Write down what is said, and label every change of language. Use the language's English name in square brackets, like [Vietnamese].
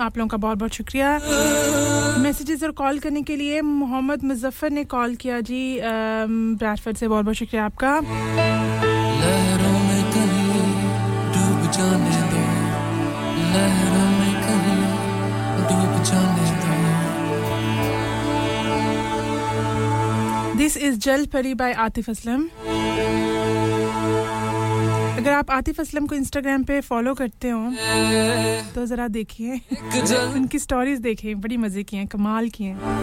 [Hindi] आप लोगों का बहुत-बहुत शुक्रिया. मैसेजेस और कॉल करने के लिए मोहम्मद मुजफ्फर ने कॉल किया जी ब्रैडफोर्ड से. बहुत-बहुत शुक्रिया आपका. लहरों में कहीं डूब जाने दो, लहरों में कहीं डूब जाने दो. [English] This is Jal Pari by Atif Aslam. [Hindi] अगर आप आतिफ असलम को इंस्टाग्राम पे फॉलो करते हो तो जरा देखिए उनकी स्टोरीज, देखिए बड़ी मजे की हैं, कमाल की हैं.